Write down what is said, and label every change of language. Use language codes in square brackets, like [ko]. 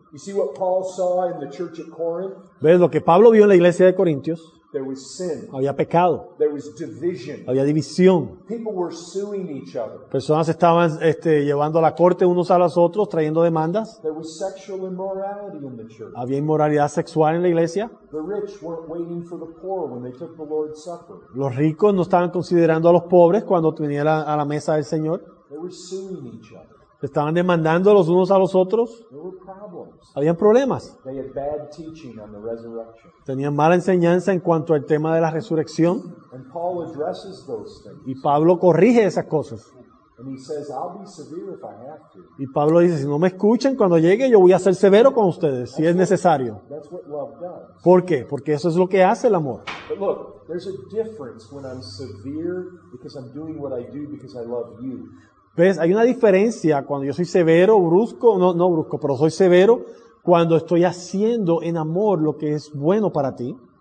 [en] You see what Paul saw in the church at Corinth? [es] ¿Ves lo que Pablo vio en la iglesia de Corintios? [en] There was sin. [es] Había pecado. [en] There was division. [es] Había división. [en] People were suing each other. [es] Personas estaban llevando a la corte unos a los otros, trayendo demandas. [en] There was sexual immorality in the church. [es] Había inmoralidad sexual en la iglesia. [en] The rich weren't waiting for the poor when they took the Lord's Supper. [es] Los ricos no estaban considerando a los pobres cuando vinieron a la mesa del Señor. [en] They were suing each other. [es] Estaban demandando los unos a los otros. Habían problemas. [en] They had bad teaching on the resurrection. [es] Tenían mala enseñanza en cuanto al tema de la resurrección. [en] And Paul addresses those things. [es] Y Pablo corrige esas cosas. [en] And he says, I'll be severe if I have to. [es] Y Pablo dice, si no me escuchan cuando llegue, yo voy a ser severo con ustedes, si es necesario. [en] That's what love does. [es] ¿Por qué? Porque eso es lo que hace el amor. [en] But look, there's a difference when I'm severe because I'm doing what I do because I love you. [es] ¿Ves? Hay una diferencia cuando yo soy severo, brusco, no brusco, pero soy severo cuando estoy haciendo en amor lo que es bueno para ti.